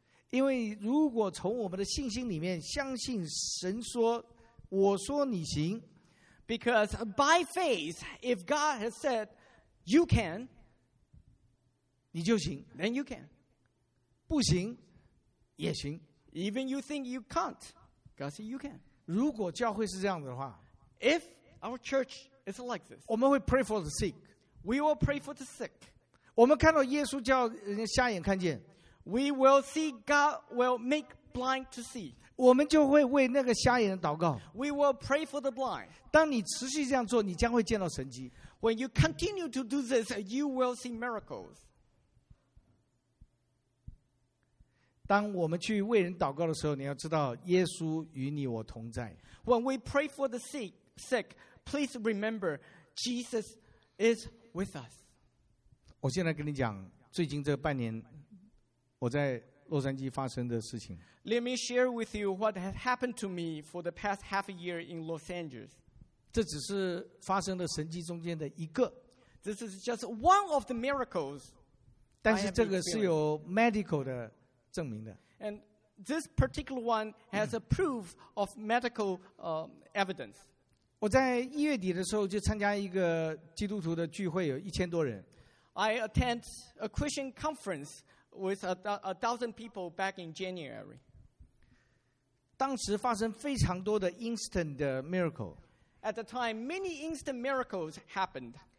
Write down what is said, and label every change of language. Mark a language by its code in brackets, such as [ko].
[zh] 因为如果从我们的信心里面相信神说，我说你行。 [en] Because by faith, if God has said, you can, [zh] 你就行, [en] then you can. [zh] 不行, 也行, [en] even you think you can't, God says you can. [zh] 如果教会是这样子的话, [en] if our church is like this, [zh] 我们会 [en] pray for the sick. We will pray for the sick. [zh] 我们看到耶稣叫人家瞎眼看见, [en] we will see God will make blind to see. [zh] 我们就会为那个瞎眼祷告。 [en] We will pray for the blind. [zh] 当你持续这样做, 你将会见到神迹。 [en] When you continue to do this, you will see miracles. [zh] 当我们去为人祷告的时候, 你要知道耶稣与你我同在。 [en] When we pray for the sick, please remember, Jesus is with us. [zh] 我现在跟你讲, 最近这半年, 我在 洛杉矶发生的事情。 [en] Let me share with you what has happened to me for the past half a year in Los Angeles. [zh] 这只是发生的神迹中间的一个。 [en] This is just one of the miracles. [zh] 但是这个是有 medical 的证明的。 [en] And this particular one has a proof of medical evidence. [zh] 我在1月底的时候就参加一个基督徒的聚会，有1000多人。 [en] I attend a Christian conference with 1,000 people back in January. [zh] 当时发生非常多的 instant 的 miracle. [en] At the time, many instant miracles happened.